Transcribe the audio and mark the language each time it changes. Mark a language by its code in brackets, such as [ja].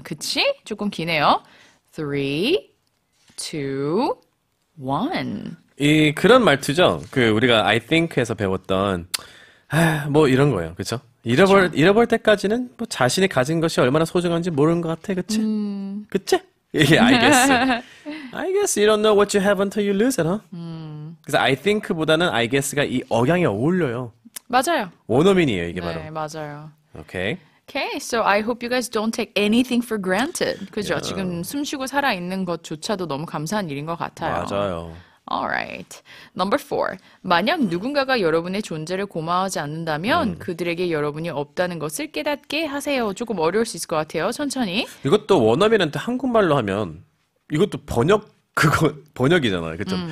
[ko] 그치? 조금 기네요. 3, 2, 1. 이 그런 말투죠. 그 우리가 I think 에서 배웠던 뭐 이런 거예요. 그렇죠? 그쵸? 잃어버릴 때까지는 뭐 자신이 가진 것이 얼마나 소중한지 모르는 것 같아. 그치? 그치? 이게 I guess. [en] I guess you don't know what you have until you lose it, huh? [ko] 그래서 I think 보다는 I guess 가 이 억양에 어울려요. 맞아요. 원어민이에요, 이게 바로. 네, 맞아요. [en] Okay. Okay, so I hope you guys don't take anything for granted. [ko] 그죠? 지금 숨 쉬고 살아있는 것조차도 너무 감사한 일인 것 같아요. 맞아요. [en] Alright. Number four. [ko] 만약 누군가가 여러분의 존재를 고마워하지 않는다면 그들에게 여러분이 없다는 것을 깨닫게 하세요. 조금 어려울 수 있을 것 같아요. 천천히. 이것도 원어민한테 한국말로 하면 이것도 번역 그거 번역이잖아요. 그쵸?